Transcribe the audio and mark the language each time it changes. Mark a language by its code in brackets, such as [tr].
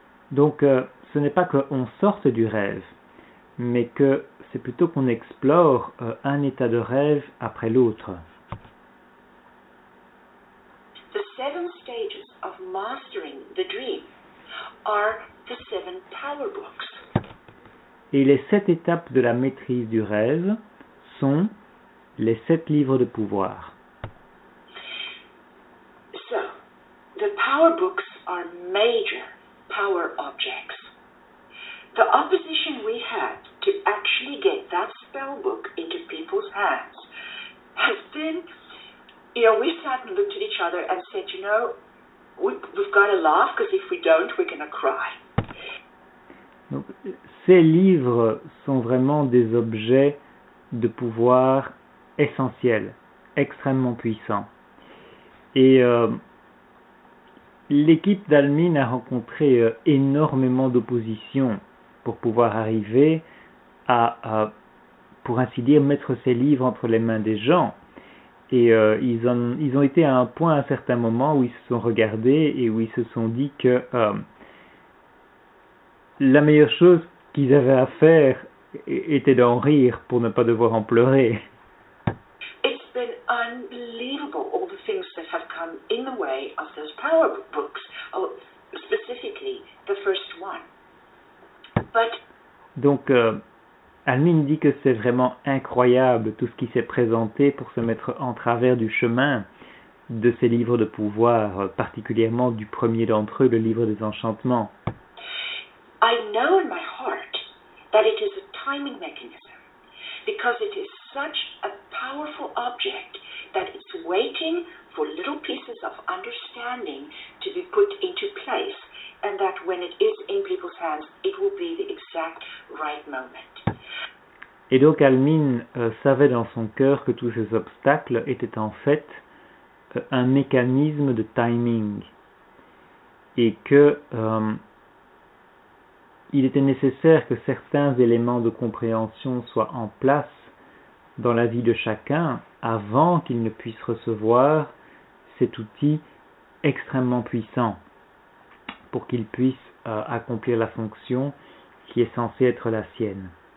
[fr] Donc, ce n'est pas qu'on sorte du rêve, mais que c'est plutôt qu'on explore un état de rêve après l'autre. [en] The seven stages of mastering the dream are the seven power books. [fr] Et les sept étapes de la maîtrise du rêve sont les sept livres de pouvoir. [en] So, the power books are major power objects. The opposition we had to actually get that spell book into people's hands has been, you know, we sat and looked at each other and said, you know, we've got to laugh because if we don't, we're going to cry. [fr] Donc, ces livres sont vraiment des objets de pouvoir essentiels, extrêmement puissants. Et l'équipe d'Almine a rencontré énormément d'opposition pour pouvoir arriver à, pour ainsi dire, mettre ces livres entre les mains des gens. Et ils ont été à un point, à un certain moment, où ils se sont regardés et où ils se sont dit que la meilleure chose qu'ils avaient à faire était d'en rire pour ne pas devoir en pleurer. [en] It's been unbelievable all the things that have come in the way of those power books, or specifically the first one. But [fr] donc Almine dit que c'est vraiment incroyable tout ce qui s'est présenté pour se mettre en travers du chemin de ces livres de pouvoir, particulièrement du premier d'entre eux, le livre des enchantements. [en] I know in my heart that it is a timing mechanism because it is such a powerful object that it's waiting for little pieces of understanding to be put into place, and that when it is in people's hands, it will be the exact right moment. [fr] Et donc Almine savait dans son cœur que tous ces obstacles étaient en fait un mécanisme de timing et que il était nécessaire que certains éléments de compréhension soient en place dans la vie de chacun avant qu'il ne puisse recevoir cet outil extrêmement puissant pour qu'il puisse accomplir la fonction qui est censée être la sienne.